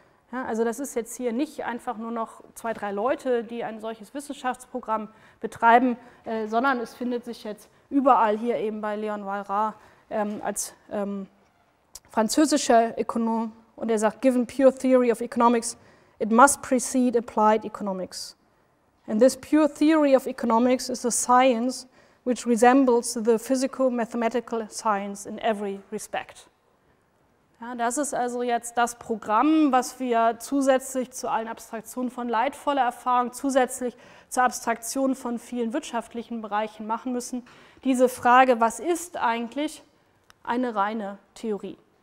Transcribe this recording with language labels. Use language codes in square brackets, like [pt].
[de] Ja, also das ist jetzt hier nicht einfach nur noch zwei, drei Leute, die ein solches Wissenschaftsprogramm betreiben, sondern es findet sich jetzt überall hier eben bei Leon Valras als französischer Ökonom und er sagt, [en] given pure theory of economics, it must precede applied economics. And this pure theory of economics is a science which resembles the physical mathematical science in every respect. [de] Ja, das ist also jetzt das Programm, was wir zusätzlich zu allen Abstraktionen von leidvoller Erfahrung, zusätzlich zur Abstraktion von vielen wirtschaftlichen Bereichen machen müssen. Diese Frage, was ist eigentlich eine reine Theorie?